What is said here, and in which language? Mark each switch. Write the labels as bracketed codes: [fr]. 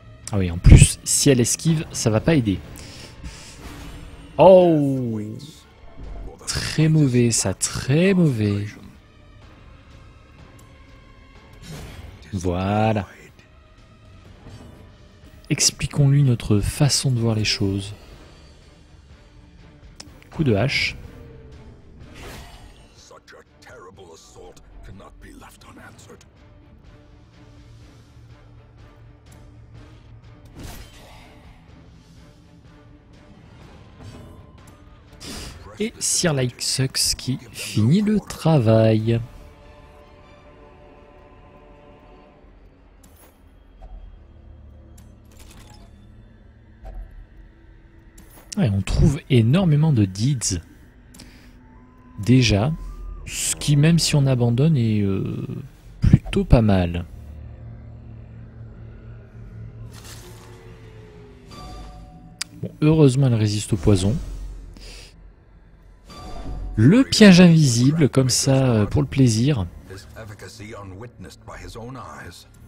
[fr] Ah oui, en plus, si elle esquive, ça va pas aider. Oh! Très mauvais, ça, très mauvais. Voilà. Expliquons-lui notre façon de voir les choses. Coup de hache. [en] Such a terrible assault cannot be left unanswered. [fr] Et Sir Like Sucks qui finit le travail. Et on trouve énormément de deeds déjà, ce qui même si on abandonne est plutôt pas mal. Bon, heureusement elle résiste au poison. Le piège invisible, comme ça pour le plaisir. [en] his efficacy unwitnessed by his own eyes.